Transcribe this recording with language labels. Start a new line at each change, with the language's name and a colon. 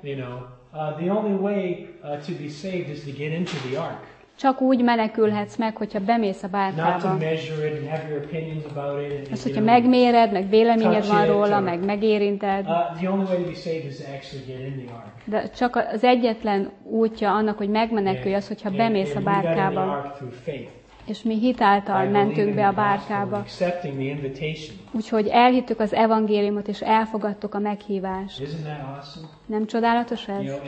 English: You know, the only way to be saved is to get into the ark.
Hungarian: Csak úgy menekülhetsz meg, hogyha bemész a bárkába.
English: Not to measure it and have your opinions about it.
Hungarian: Az, hogyha megméred, meg véleményed van róla, meg megérinted.
English: The only way to be saved is to actually get in the ark.
Hungarian: De csak az egyetlen útja annak, hogy megmenekülj, az, hogyha bemész a bárkába. És mi hitáltal mentünk be a bárkába. Úgyhogy elhittük az evangéliumot, és elfogadtuk a meghívást. Nem csodálatos ez?